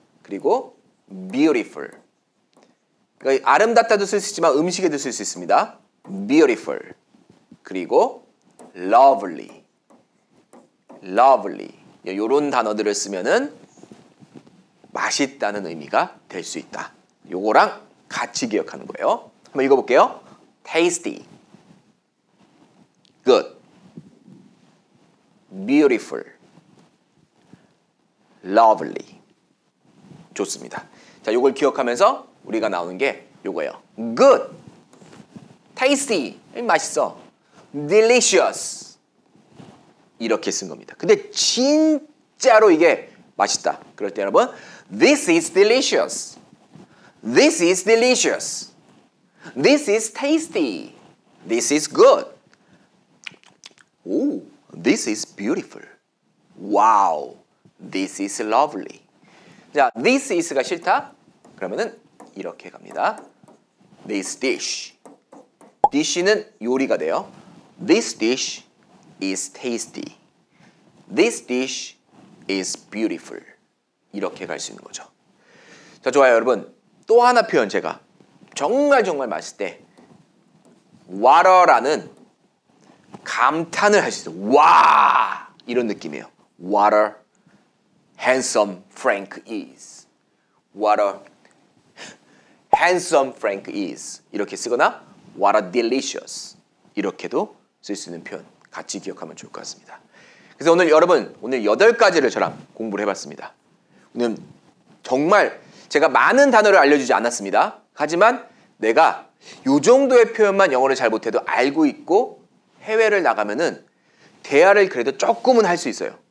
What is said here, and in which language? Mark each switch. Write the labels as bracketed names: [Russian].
[Korean] 그리고 beautiful, 그러니까 아름답다도 쓸 수 있지만 음식에도 쓸 수 있습니다. Beautiful 그리고 lovely, lovely 이런 단어들을 쓰면은 맛있다는 의미가 될 수 있다. 요거랑 같이 기억하는 거예요. 한번 읽어볼게요. [English] Tasty, good, beautiful, lovely. [Korean] 좋습니다. 자, 요걸 기억하면서 우리가 나오는 게 요거예요. [English] Good, tasty, [Korean] 맛있어. Delicious. 이렇게 쓴 겁니다. 근데 진짜로 이게 맛있다. 그럴 때 여러분, [English] This is delicious. This is delicious. This is tasty. This is good. Oh, this is beautiful. Wow, this is lovely. [Korean] 자, this is가 싫다? 그러면은 이렇게 갑니다. [English] This dish. [Korean] Dish는 요리가 돼요. [English] This dish is tasty. This dish is beautiful. [Korean] 이렇게 갈 수 있는 거죠. 자, 좋아요, 여러분. 또 하나 표현 제가 정말 정말 맛있을 때 water라는 감탄을 할 수 있어요. 와! 이런 느낌이에요. [English] Water. Handsome Frank is. What a handsome Frank is. [Korean] 이렇게 쓰거나 [English] What a delicious. [Korean] 이렇게도 쓸 수 있는 표현 같이 기억하면 좋을 것 같습니다. 그래서 오늘 여러분 오늘 8가지를 저랑 공부를 해봤습니다. 오늘 정말 제가 많은 단어를 알려주지 않았습니다. 하지만 내가 이 정도의 표현만 영어를 잘 못해도 알고 있고 해외를 나가면은 대화를 그래도 조금은 할 수 있어요.